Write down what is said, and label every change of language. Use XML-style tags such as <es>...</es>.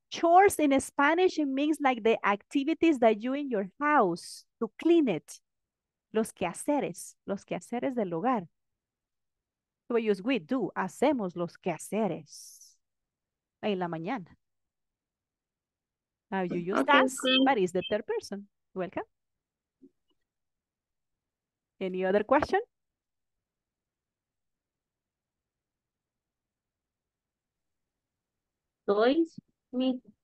<en>Chores in Spanish means like the activities that you in your house to clean it.</en> <es>Los quehaceres del hogar.</es> <en>We use we do,</en> <es>hacemos los quehaceres en la mañana.</es> <en>Now you use okay, does, but it's the third person. Welcome. Any other question? Toys? Me.</en>